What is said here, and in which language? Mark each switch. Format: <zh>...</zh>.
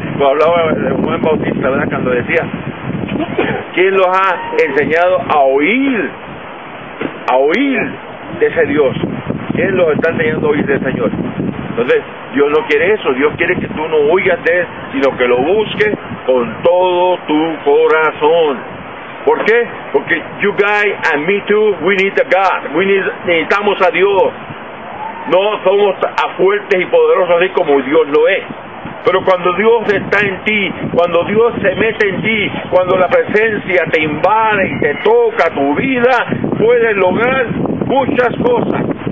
<es>Cuando hablaba de Juan Bautista, ¿verdad? Cuando decía, ¿quién los ha enseñado a oír de ese Dios? ¿Quién los está enseñando a oír del Señor? Entonces, Dios no quiere eso. Dios quiere que tú no oigas de Él, sino que lo busques con todo tu corazón. ¿Por qué? Porque</es> <en>you guys and me too, we need the God. We need,</en> <es>necesitamos a Dios. No somos a fuertes y poderosos así como Dios lo es. Pero cuando Dios está en ti, cuando Dios se mete en ti, cuando la presencia te invade y te toca tu vida, puedes lograr muchas cosas.</es>